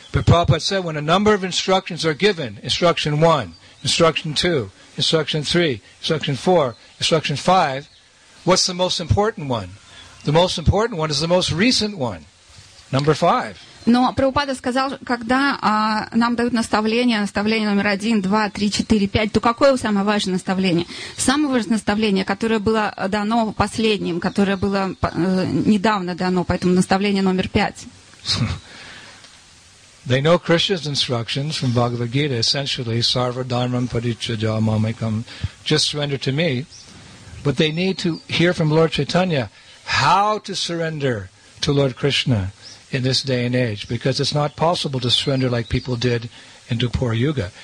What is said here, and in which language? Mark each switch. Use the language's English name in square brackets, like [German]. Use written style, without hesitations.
[English] But Prabhupada said, when a number of instructions are given, instruction one, instruction 2, instruction 3, instruction 4, instruction 5, what's the most important one? The most important one is the most recent one, number 5. [Russian] Но Прабхупада сказал, когда нам дают наставление, наставление номер 1, 2, 3, 4, 5, то какое самое важное наставление? Самое важное наставление, которое было дано последним, которое было недавно дано, поэтому наставление номер 5. [English] They know Krishna's instructions from Bhagavad Gita, essentially, [Sanskrit] sarva dharmam paricchaja mamaikam, [English] just surrender to me. But they need to hear from Lord Chaitanya how to surrender to Lord Krishna in this day and age, because it's not possible to surrender like people did in Dupur Yuga.